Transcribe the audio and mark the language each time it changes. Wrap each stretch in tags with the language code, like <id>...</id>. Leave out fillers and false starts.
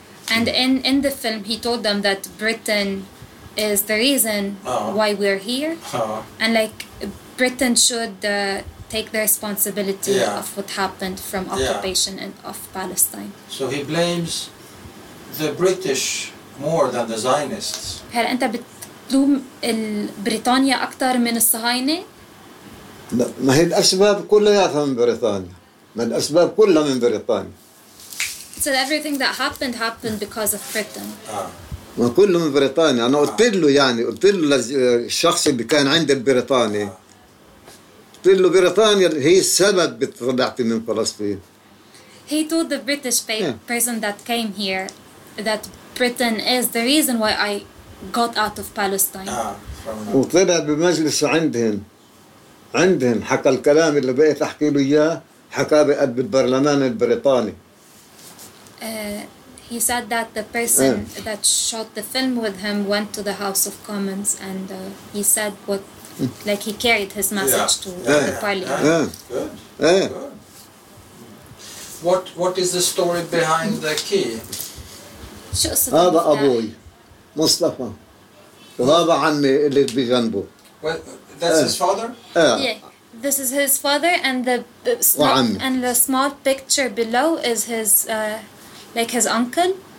<en>And in the film, he told them that Britain is the reason why we're here, and like Britain should take the responsibility of what happened from occupation and of Palestine. So he blames the British more than the Zionists.</en> <ar>هل أنت بتلوم البريطانيا أكثر من الصهاينة؟ ما هي الأسباب كلها من بريطانيا. ما الأسباب كلها من بريطانيا.</ar> <en>So everything that happened happened because of Britain.</en> <ar>ما كله من بريطانيا. أنا قلت له يعني قلت له الشخص اللي كان عند البريطاني قلت له بريطانيا هي السبب بطلعتي من فلسطين.</ar> <en>He told the British person that came here that Britain is the reason why I got out of Palestine.</en> <ar>وطلع بمجلس عندهم عندهم حكى الكلام اللي بقيت أحكي له إياه حكاه بقلب البرلمان البريطاني.</ar> <en>He said that the person that shot the film with him went to the House of Commons and he said what, like he carried his message to the parliament. What is the story behind the key?</en> <ar>هذا أبوي مصطفى وهذا عمي اللي بجنبه.</ar> <en>Well, that's his father? This is his father and the small, and the small picture below is his like his uncle.</en>